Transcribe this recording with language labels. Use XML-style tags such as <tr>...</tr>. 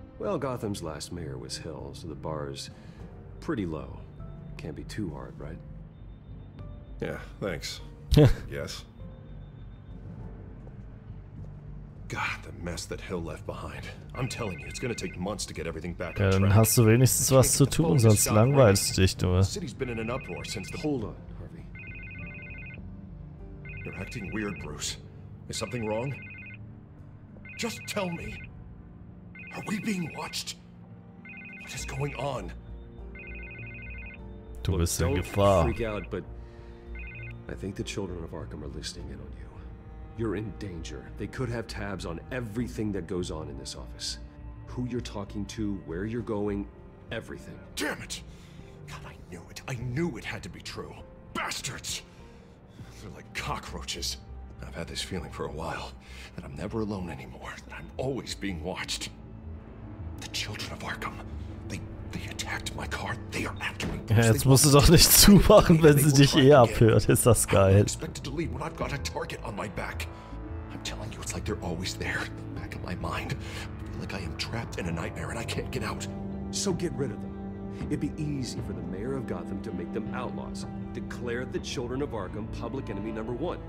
<en>Well, Gotham's last mayor was Hill, so the bar's pretty low. Can't be too hard, right? Yeah, thanks. Yes. God, the mess that Hill left behind. I'm telling you, it's gonna take months to get everything back on track.</en> <de>Dann hast du wenigstens was zu tun, sonst langweilst du dich nur.</de> <en>The city's been in an uproar since the... Hold on, Harvey. You're acting weird, Bruce. Is something wrong? Just tell me. Are we being watched? What is going on?</en> <de>Du bist in Gefahr.</de> <en>Freak out, but I think the children of Arkham are listening in on you. You're in danger. They could have tabs on everything that goes on in this office. Who you're talking to, where you're going, everything. Damn it! God, I knew it. I knew it had to be true. Bastards! They're like cockroaches. I've had this feeling for a while, that I'm never alone anymore, that I'm always being watched. The children of Arkham, they attacked my car. They are after me.</en> <de>Ja, jetzt musst du doch nicht zumachen, wenn sie dich eh abhört. Ist das geil.</de> <en>I'm expected to leave when I've got a target on my back. I'm telling you, it's like they're always there, in the back of my mind. I feel like I am trapped in a nightmare and I can't get out. So get rid of them. It'd be easy for the mayor of Gotham to make them outlaws. Declare the children of Arkham public enemy number one.</en>